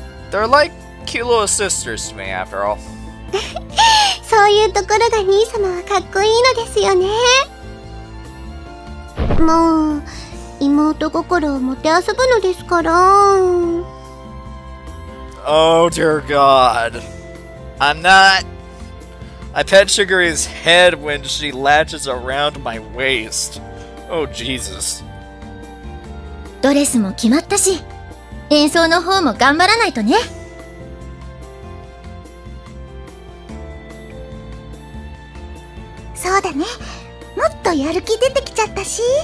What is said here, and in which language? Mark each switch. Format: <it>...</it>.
<en>They're like cute little sisters to me, after all.</en> <ja>そういうところが兄様はかっこいいのですよね。もう、妹心をもてあそぶのですから。</ja> <en>Oh dear God. I'm not... I pet Sugary's head when she latches around my waist. Oh, Jesus.</en> <ja>ドレスも決まったし、演奏の方も頑張らないとね。そうだね、もっととやる気出てきちゃったし。</ja>